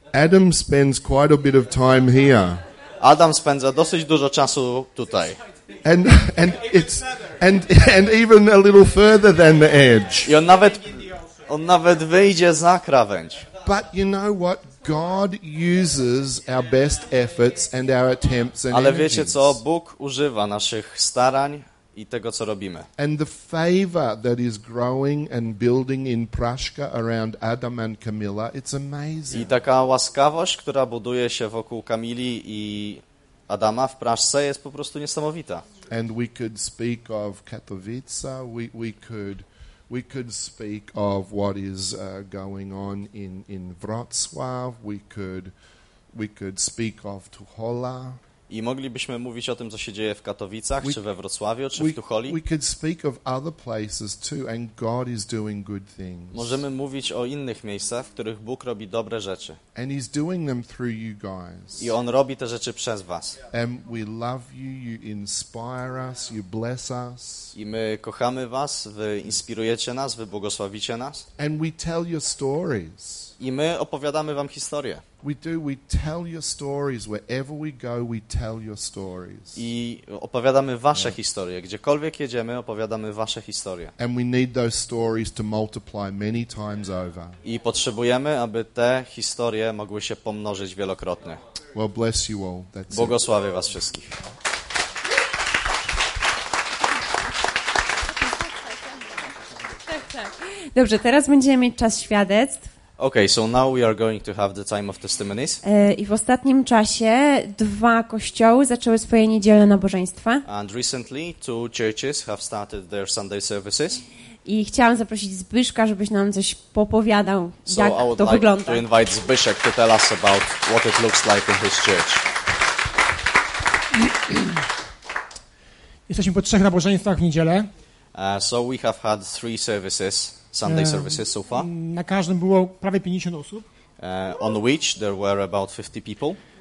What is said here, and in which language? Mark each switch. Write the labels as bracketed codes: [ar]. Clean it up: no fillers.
[en] Adam spends quite a bit of time here. [pl] Adam spędza dosyć dużo czasu tutaj. [en] And it's and even a little further than the edge. [pl] I on nawet On nawet wyjdzie za krawędź. [en] But you know what? God uses our best efforts and our attempts and energies. [pl] Ale wiecie co? Bóg używa naszych starań i tego, co robimy. [en] And the favor that is growing and building in Praszka around Adam and Camilla, it's amazing. [pl] I taka łaskawość, która buduje się wokół Kamili i Adama w Praszce, jest po prostu niesamowita. [en] And we could speak of Katowice, we could speak of what is going on in Wrocław, we could speak of Tuchola. [pl] I moglibyśmy mówić o tym, co się dzieje w Katowicach, czy we Wrocławiu, czy w Tucholi. [en] We could speak of other places too, and God is doing good things. [pl] Możemy mówić o innych miejscach, w których Bóg robi dobre rzeczy. [en] And he's doing them through you guys. [pl] I On robi te rzeczy przez was. [en] And we love you, you inspire us, you bless us. [pl] I my kochamy was, wy inspirujecie nas, wy błogosławicie nas. [en] And we tell your stories. [pl] I my opowiadamy wam historię. [en] We do, we tell your stories wherever we go, we tell your stories. [pl] I opowiadamy wasze historie, gdziekolwiek jedziemy, opowiadamy wasze historie. [en] And we need those stories to multiply many times over. [pl] I potrzebujemy, aby te historie mogły się pomnożyć wielokrotnie. [en] Well, bless you all. That's [pl] błogosławię was wszystkich. Dobrze, teraz będziemy mieć czas świadectw. [en] Okay, so now we are going to have the time of testimonies. [pl] I w ostatnim czasie dwa kościoły zaczęły swoje niedzielne nabożeństwa. [en] And recently two churches have started their Sunday services. [pl] I chciałam zaprosić Zbyszka, żebyś nam coś popowiadał, [en] so [pl] jak [en] I would [pl] to [en] like [pl] wygląda. [en] To invite Zbyszek to tell us about what it looks like in his church. [pl] Jesteśmy po trzech nabożeństwach w niedzielę. [en] So we have had three services. Sunday services so far. [pl] Na każdym było prawie 50 osób. [en] On which there were about 50 people.